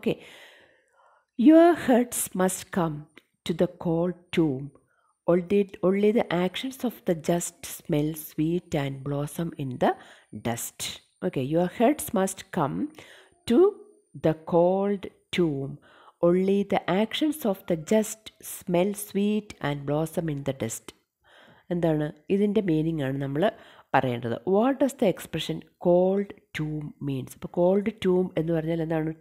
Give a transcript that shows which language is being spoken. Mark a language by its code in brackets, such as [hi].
[en] Okay, your hearts must come to the cold tomb. Only the actions of the just smell sweet and blossom in the dust. Okay, your hearts must come to the cold tomb. Only the actions of the just smell sweet and blossom in the dust. [ml] എന്താണ് ഇതിൻ്റെ meaning? ആണ് നമ്മൾ പറയേണ്ടത്. [en] What does the expression cold tomb means? [ml] അപ്പോൾ called ടൂം എന്ന് പറഞ്ഞാൽ എന്താണ്?